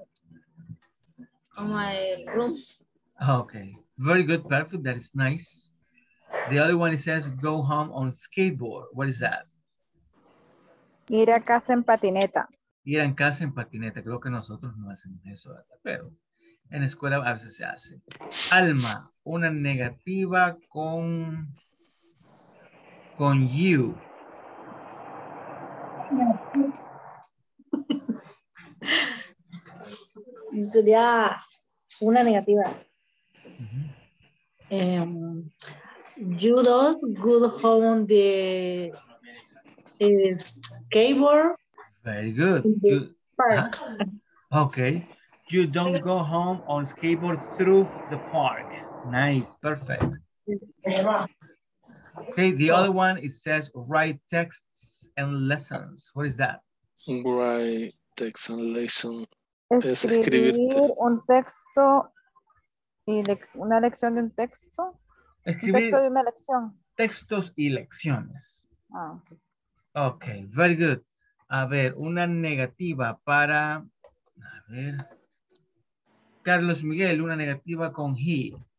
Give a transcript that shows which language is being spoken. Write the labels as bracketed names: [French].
[English] I don't get dressed on my bed, on my room. Okay, very good, perfect, that is nice. The other one, it says go home on skateboard. What is that? [Spanish] Ir a casa en patineta. Ir a casa en patineta, creo que nosotros no hacemos eso, ¿verdad? Pero En la escuela a veces se hace. Alma, una negativa con you. Sería una negativa. [English] You don't go home on the skateboard. Very good. Okay. You don't go home on skateboard through the park. Nice, perfect. Okay, the other one, it says write texts and lessons. What is that? Write texts and lessons. [Spanish] Escribir un texto y una lección de un texto. Escribir un texto de una lección. Textos y lecciones. Ah, [English] okay. Okay, very good. [Spanish] A ver, una negativa para, a ver, Carlos Miguel, una negativa con he.